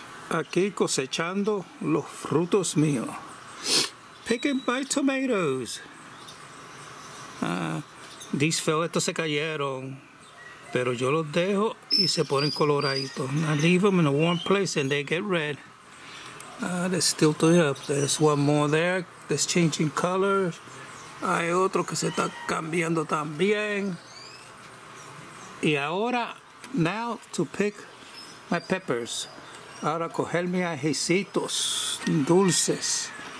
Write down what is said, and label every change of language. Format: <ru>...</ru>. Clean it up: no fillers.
<es>aquí cosechando los frutos míos.</es> <en>Picking my tomatoes. These fellas</en> <es>se cayeron, pero yo los dejo y se ponen coloraditos.</es> <en>I leave them in a warm place and they get red. There's still two up. There's one more there. That's changing colors.</en> <es>Hay otro que se está cambiando también. Y ahora,</es> <en>now to pick my peppers.</en> <es>Ahora coger mis ajicitos dulces.</es>